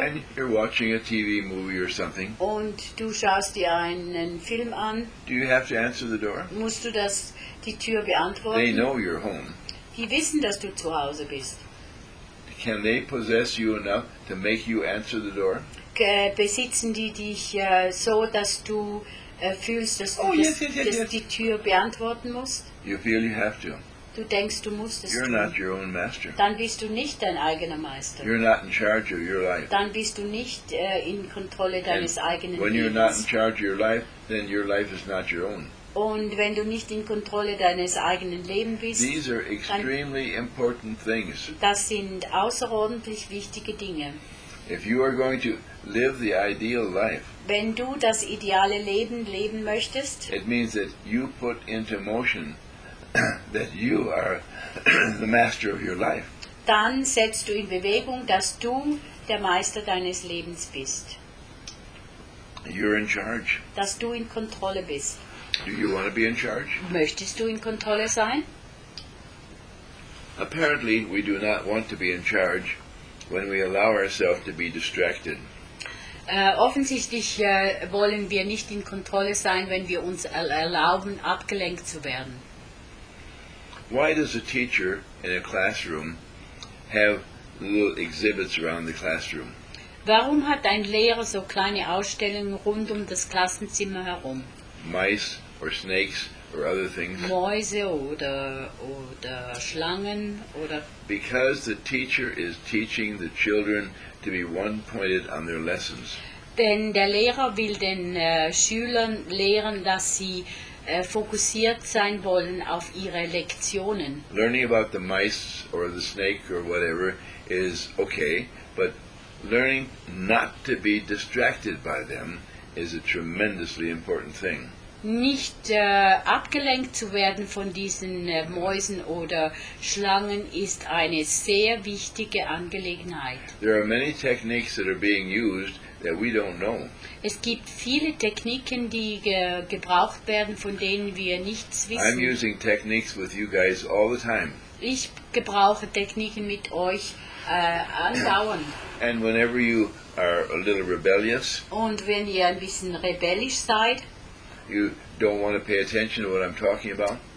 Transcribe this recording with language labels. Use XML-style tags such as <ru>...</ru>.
<en>and you're watching a TV movie or something,</en> <de>und du schaust dir einen Film an,</de> <en>do you have to answer the door?</en> <de>Musst du das die Tür beantworten?</de> <en>They know you're home.</en> <de>Die wissen, dass du zu Hause bist.</de> <en>Can they possess you enough to make you answer the door?</en> <de>Besitzen die dich so, dass du fühlst, dass du die Tür beantworten musst?</de> <en>You feel you have to.</en> <de>Du denkst, du musst es</de> <en>You're</en> <de>tun.</de> <en>Not your own master.</en> <de>Dann bist du nicht dein eigener Meister.</de> <en>You're not in charge of your life.</en> <de>Dann bist du nicht in Kontrolle deines</de> <en>And</en> <de>eigenen Lebens.</de> <en>When you're not in charge of your life, then your life is not your own.</en> <de>Und wenn du nicht in Kontrolle deines eigenen Lebens bist,</de> <en>These are extremely important things.</en> <de>Das sind außerordentlich wichtige Dinge.</de> <en>If you are going to live the ideal life,</en> <de>wenn du das ideale Leben leben möchtest,</de> <en>it means that you put into motion that you are the master of your life.</en> <de>Dann setzt du in Bewegung, dass du der Meister deines Lebens bist.</de> <en>You're in charge.</en> <de>Dass du in Kontrolle bist.</de> <en>Do you want to be in charge?</en> <de>Möchtest du in Kontrolle sein?</de> <en>Apparently, we do not want to be in charge when we allow ourselves to be distracted.</en> <de>Offensichtlich wollen wir nicht in Kontrolle sein, wenn wir uns erlauben, abgelenkt zu werden.</de> <en>Why does a teacher in a classroom have little exhibits around the classroom?</en> <de>Warum hat ein Lehrer so kleine Ausstellungen rund um das Klassenzimmer herum?</de> <en>Mice or snakes or other things?</en> <de>Mäuse oder Schlangen oder</de> <en>Because the teacher is teaching the children to be one-pointed on their lessons.</en> <de>Denn der Lehrer will den Schülern lehren, dass sie fokussiert sein wollen auf ihre Lektionen.</de> <en>Learning about the mice or the snake or whatever is okay, but learning not to be distracted by them is a tremendously important thing.</en> <de>nicht abgelenkt zu werden von diesen Mäusen oder Schlangen ist eine sehr wichtige Angelegenheit.</de> <en>There are many techniques that are being used that we don't know.</en> <de>Es gibt viele Techniken, die gebraucht werden, von denen wir nichts wissen.</de> <en>I'm using techniques with you guys all the time.</en> <de>Ich gebrauche Techniken mit euch andauernd.</de> <en>And whenever you are a little rebellious,</en> <de>und wenn ihr ein bisschen rebellisch seid,</de> <en>you don't want to pay attention to what I'm talking about,</en>